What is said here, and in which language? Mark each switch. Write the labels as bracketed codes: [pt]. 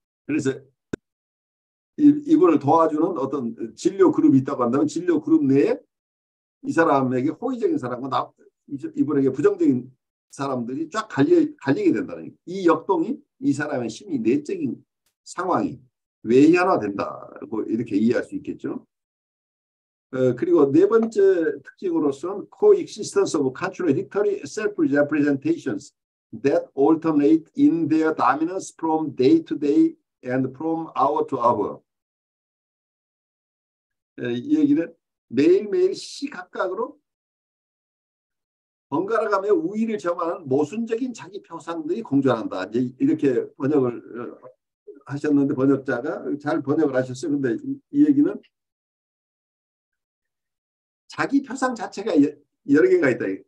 [ko] 그래서 이분을 도와주는 어떤 진료 그룹이 있다고 한다면 진료 그룹 내에 이 사람에게 호의적인 사람과 이분에게 부정적인 사람들이 쫙 갈리게 된다는 이 역동이 이 사람의 심리 내적인 상황이 외현화된다고 이렇게 이해할 수 있겠죠. 그리고 네 번째 특징으로서는 [en] coexistence of contradictory self-representations that alternate in their dominance from day to day and from hour to hour. [ko] 이 얘기는 매일매일 시각각으로 번갈아가며 우위를 점하는 모순적인 자기 표상들이 공존한다. 이렇게 번역을 하셨는데 번역자가 잘 번역을 하셨어요. 근데 이 얘기는 자기 표상 자체가 여러 개가 있다.